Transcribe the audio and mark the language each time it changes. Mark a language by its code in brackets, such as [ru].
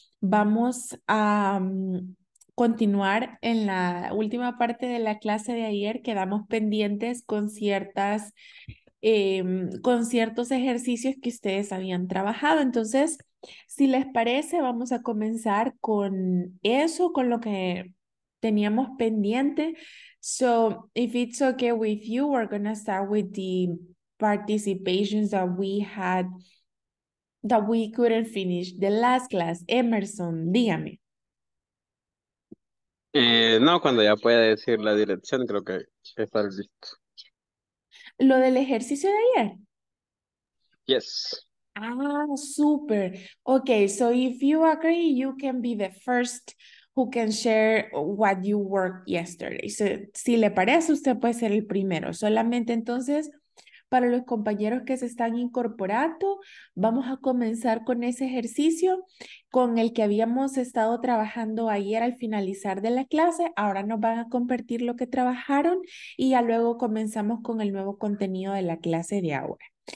[es] Vamos a continuar en la última parte de la clase de ayer. Quedamos pendientes con ciertas con ciertos ejercicios que ustedes habían trabajado. Entonces, si les parece, vamos a comenzar con eso, con lo que teníamos pendiente. [en] So, if it's okay with you, we're gonna start with the participations that we had that we couldn't finish the last class. [es] Emerson, dígame. No, cuando ya pueda decir la dirección, creo que está listo. Lo del ejercicio de ayer. [en] Yes. [es] Ah, súper. [en] Ok, so if you agree, you can be the first who can share what you worked yesterday. [es] So, si le parece, usted puede ser el primero. Solamente entonces, para los compañeros que se están incorporando, vamos a comenzar con ese ejercicio con el que habíamos estado trabajando ayer al finalizar de la clase. Ahora nos van a compartir lo que trabajaron y ya luego comenzamos con el nuevo contenido de la clase de ahora.